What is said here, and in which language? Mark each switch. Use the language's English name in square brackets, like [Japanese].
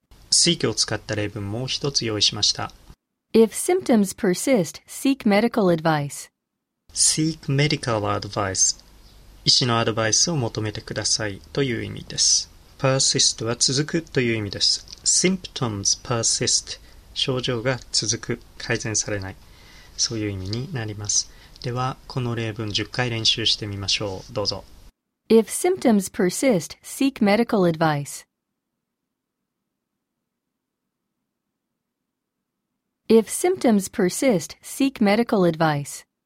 [Japanese] Seek を使った例文もう一つ用意しました。 [English] If symptoms persist, seek medical advice. Seek medical advice. [Japanese] 医師のアドバイスを求めてくださいという意味です。 Persist は続くという意味です。 [English] Symptoms persist. [Japanese] 症状が続く、改善されない。そういう意味になります。では、この例文10回練習してみましょう。どうぞ。 [English] If symptoms persist, seek medical advice. If symptoms persist, seek medical advice.